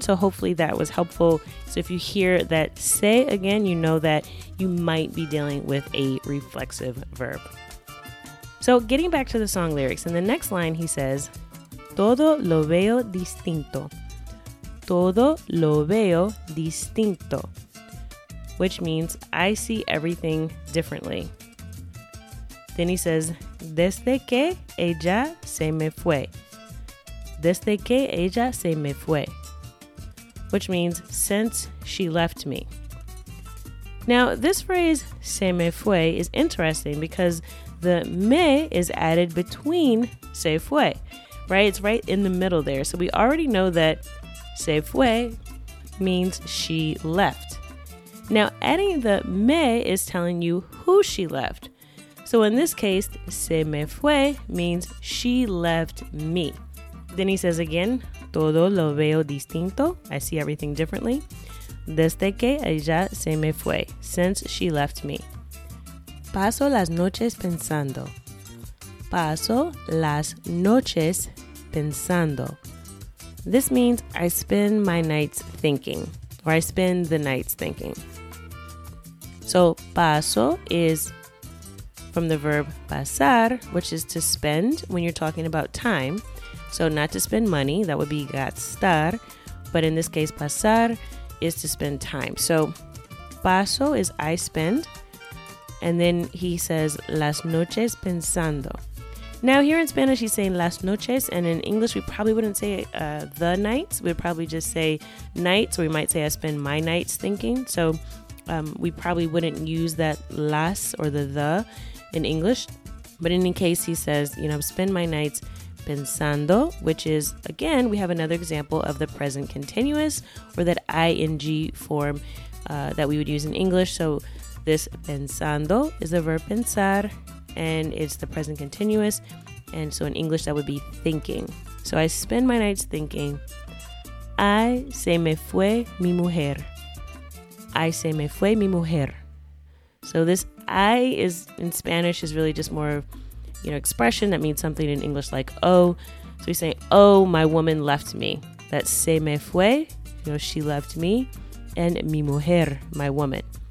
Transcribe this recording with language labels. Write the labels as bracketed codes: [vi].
[en] So hopefully that was helpful. So if you hear that say again, you know that you might be dealing with a reflexive verb. So getting back to the song lyrics, in the next line he says, [es] todo lo veo distinto. Todo lo veo distinto, [en] which means I see everything differently. Then he says, [es] desde que ella se me fue. Desde que ella se me fue, [en] which means since she left me. Now, this phrase, se me fue, is interesting because the me is added between se fue, right? It's right in the middle there. So we already know that se fue means she left. Now, adding the me is telling you who she left. So in this case, se me fue means she left me. Then he says again, [es] todo lo veo distinto. [en] I see everything differently. [es] Desde que ella se me fue, [en] since she left me. [es] Paso las noches pensando. Paso las noches pensando. [en] This means I spend my nights thinking, or I spend the nights thinking. So paso is from the verb pasar, which is to spend when you're talking about time. So not to spend money, that would be gastar. But in this case, pasar is to spend time. So paso is I spend. And then he says [es] las noches pensando. [en] Now here in Spanish, he's saying las noches, and in English, we probably wouldn't say the nights. We'd probably just say nights, or we might say I spend my nights thinking. So we probably wouldn't use that las or the in English. But in any case, he says, you know, spend my nights pensando, which is, again, we have another example of the present continuous, or that ing form that we would use in English. So this pensando is the verb pensar, and it's the present continuous, and so in English that would be thinking. So I spend my nights thinking, [es] ay, se me fue mi mujer. Ay, se me fue mi mujer. [en] So this ay is, in Spanish, is really just more of, you know, expression that means something in English like oh. So we say, oh, my woman left me. That se me fue, you know, she left me, and mi mujer, my woman.